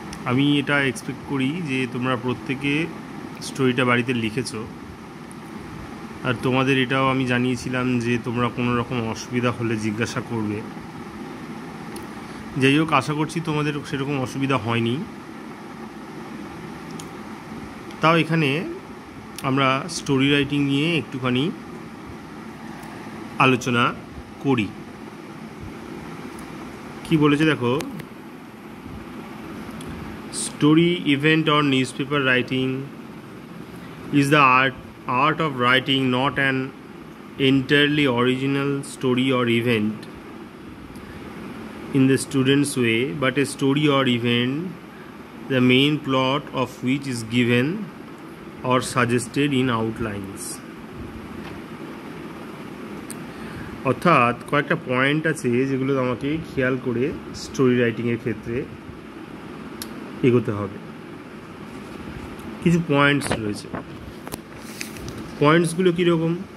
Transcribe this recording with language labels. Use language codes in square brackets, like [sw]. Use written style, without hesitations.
[bn] আমি এটা এক্সপেক্ট করি যে তোমরা প্রত্যেকে স্টোরিটা বাড়িতে লিখেছো, আর তোমাদের এটাও আমি জানিয়েছিলাম যে তোমরা কোনো রকম অসুবিধা হলে জিজ্ঞাসা করবে। যাই হোক, আশা করছি তোমাদের সেরকম অসুবিধা হয়নি। তাও এখানে আমরা স্টোরি রাইটিং নিয়ে একটুখানি আলোচনা করি। কি বলেছে দেখো, [en] Story, event or newspaper writing is the art of writing, not an entirely original story or event in the student's way, but a story or event the main plot of which is given or suggested in outlines. [bn] অর্থাৎ কয়েকটা point আছে যেগুলো আমাকে খেয়াল করে story রাইটিংয়ের ক্ষেত্রে এগোতে হবে। কিছু পয়েন্টস রয়েছে, পয়েন্টসগুলো কীরকম?